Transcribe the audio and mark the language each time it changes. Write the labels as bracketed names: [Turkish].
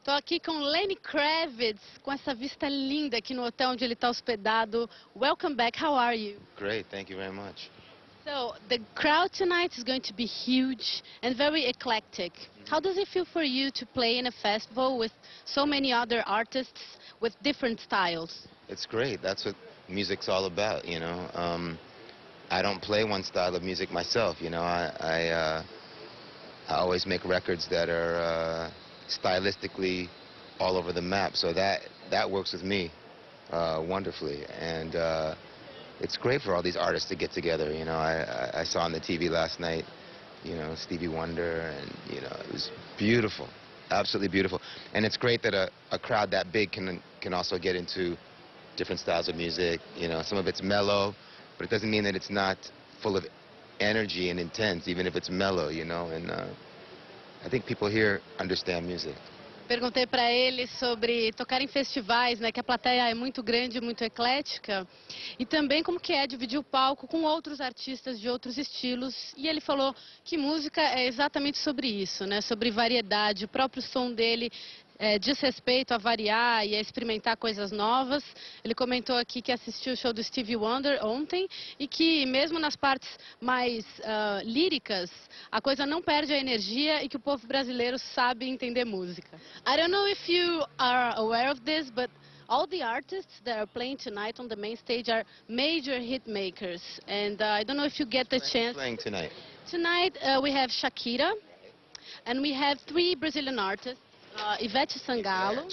[Portuguese] aqui com Lenny Kravitz, com essa vista linda aqui no hotel onde ele está hospedado. [English] Welcome back. How are you? Great. Thank you very much. So the crowd tonight is going to be huge and very eclectic. Mm-hmm. How does it feel for you to play in a festival with so many other artists with different styles? It's great. That's what music's all about, you know. I don't play one style of music myself, you know. I always make records that are stylistically all over the map, so that works with me wonderfully. And it's great for all these artists to get together, you know. I saw on the TV last night, you know, Stevie Wonder, and, you know, it was beautiful, absolutely beautiful. And it's great that a crowd that big can also get into different styles of music. You know, some of it's mellow, but it doesn't mean that it's not full of energy and intense, even if it's mellow, you know. And I think people here understand music. [Portuguese] Perguntei para ele sobre tocar em festivais, né, que a plateia é muito grande, muito eclética, e também como que é dividir o palco com outros artistas de outros estilos, e ele falou que música é exatamente sobre isso, né, sobre variedade. O próprio som dele diz respeito a variar e a experimentar coisas novas. Ele comentou aqui que assistiu o show do Stevie Wonder ontem e que mesmo nas partes mais líricas, a coisa não perde a energia e que o povo brasileiro sabe entender música. [English] I don't know if you are aware of this, but all the artists that are playing tonight on the main stage are major hit makers. And I don't know if you get the chance. Playing tonight. Tonight we have Shakira and we have three Brazilian artists. Ivete Sangalo.